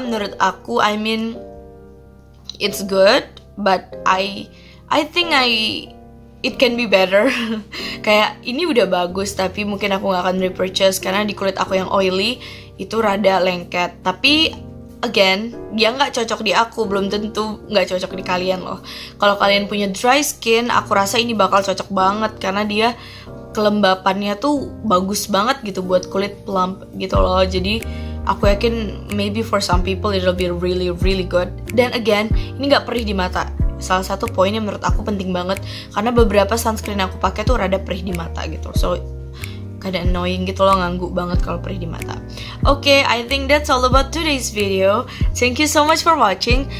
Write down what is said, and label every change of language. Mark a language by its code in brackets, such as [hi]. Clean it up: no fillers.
[id] Menurut aku, [en] I mean, it's good, but I think it can be better. [id] Kayak ini udah bagus, tapi mungkin aku nggak akan repurchase karena di kulit aku yang oily itu rada lengket. Tapi again, dia nggak cocok di aku, belum tentu nggak cocok di kalian loh. Kalau kalian punya dry skin, aku rasa ini bakal cocok banget karena dia kelembapannya tuh bagus banget gitu buat kulit plump gitu loh. Jadi aku yakin [en] maybe for some people it'll be really really good. [id] Dan again, ini nggak perih di mata. Salah satu poin yang menurut aku penting banget, karena beberapa sunscreen aku pakai tuh rada perih di mata gitu. So kada annoying gitu loh, nganggu banget kalau perih di mata. [en] Oke, okay, I think that's all about today's video. Thank you so much for watching.